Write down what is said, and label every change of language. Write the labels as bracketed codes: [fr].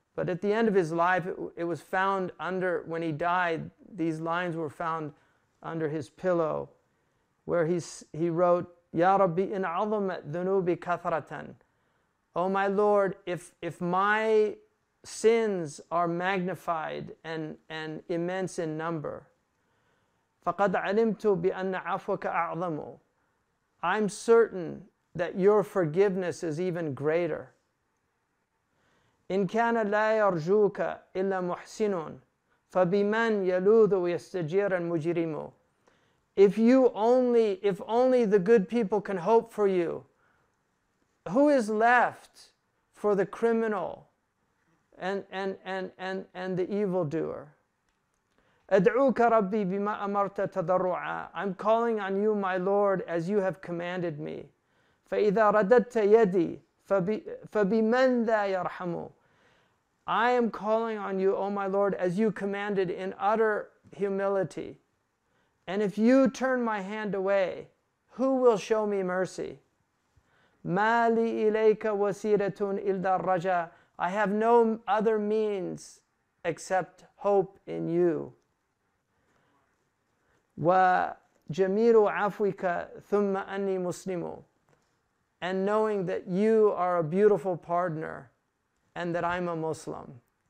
[en] But at the end of his life, it was found under, when he died, these lines were found under his pillow, where he wrote, [ar] Ya Rabbi in azama dhunubi kathratan, [en] oh my Lord, if my sins are magnified and immense in number, [ar] فَقَدْ عَلِمْتُ بِأَنَّ عَفْوَكَ أَعْظَمُ, [en] I'm certain that your forgiveness is even greater. [ar] إن كان لا يرجوك إلا محسن فبمن يلوذ ويستجير المجرم. [en] If only the good people can hope for you, who is left for the criminal and the evildoer? [ar] أدعوك ربي بما أمرت تضرعا. [en] I'm calling on you, my Lord, as you have commanded me. [ar] فإذا رددت يدي فبمن ذا يرحمه. [en] I am calling on you, O my Lord, as you commanded in utter humility. And if you turn my hand away, who will show me mercy? [ar] ما لي إليك وسيرة إلا الرجاء. [en] I have no other means except hope in you. [ar] وجميل عفوك ثم أني مسلم. [en] And knowing that you are a beautiful pardoner and that I'm a Muslim.